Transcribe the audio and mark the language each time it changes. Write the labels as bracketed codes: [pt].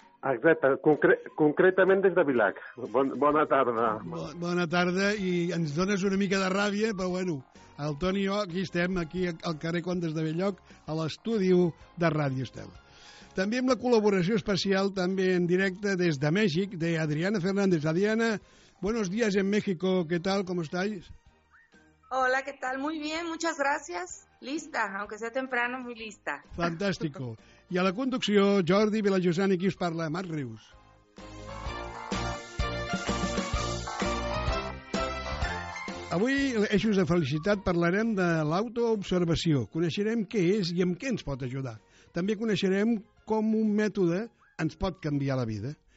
[ca] Exacte, concretament des de Vilac. Bona tarda. Bona tarda, i ens dones una mica de ràbia, però bueno, el Toni i jo aquí estem, aquí al carrer Contes de Belloc, a l'estudi de Ràdio Estel. També amb la col·laboració especial, també en directe des de Mèxic, de Adriana Fernández. [es] Adriana, buenos días en México, ¿qué tal, cómo estáis? Hola, ¿qué tal? Muy bien, muchas gracias. Lista, aunque sea temprano, muy lista. Fantástico. [ca] I a la conducció, Jordi Vilajosana, qui us parla, Marc Rius. Avui, Eixos de Felicitat, parlarem de l'autoobservació. Coneixerem què és i amb què ens pot ajudar. També coneixerem com un mètode ens pot canviar la vida.